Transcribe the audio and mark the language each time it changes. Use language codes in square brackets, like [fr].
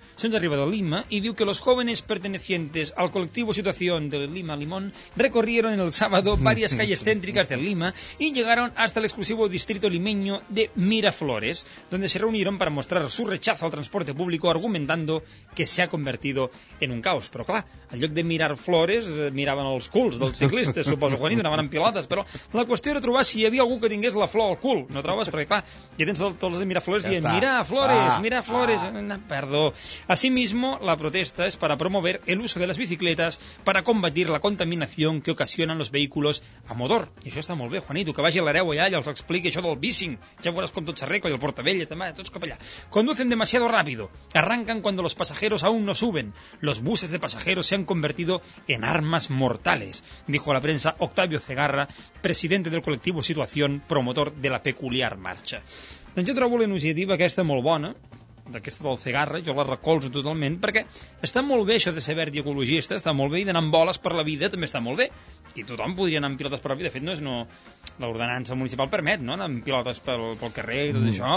[ca] Se'ns arriba de Lima i diu que [es] los jóvenes pertenecientes al colectivo Situación de Lima Limón recorrieron el sábado varias calles céntricas de Lima y llegaron hasta el exclusivo distrito limeño de Miraflores, donde se reunieron para mostrar su rechazo al transporte público argumentando que se ha convertido en un caos. [ca] Però clar, en lloc de mirar flores, miraven els culs dels ciclistes, suposo, quan hi donaven amb pilotes. Però la qüestió era trobar si hi havia algú que tingués la flor al cul. No trobes? Perquè clar, ja tens tots els de mirar flores, ja dient, mira flores. Perdó. [es] Asimismo, la protesta es para promover el uso de las bicicletas para combatir la contaminación que ocasionan los vehículos a motor. [ca] I això està molt bé, Juanito, que vagi l'hereu allà i els expliqui això del bicing. Ja veuràs com tot s'arregla, i el portavella, també, tots cap allà. [es] Conducen demasiado rápido. Arrancan cuando los pasajeros aún no suben. Los buses de pasajeros se han convertido en armas mortales, dijo a la prensa Octavio Cegarra, presidente del colectivo Situación, promotor de la peculiar marcha. [ca] Doncs jo trobo la iniciativa aquesta molt bona, d'aquesta del Cegarra, jo la recolzo totalment, perquè està molt bé això de ser verd i ecologista, està molt bé, i d'anar amb boles per la vida també està molt bé, i tothom podria anar amb pilotes per la vida. De fet, no és, no, l'ordenança municipal permet, no?, anar amb pilotes pel carrer i tot això.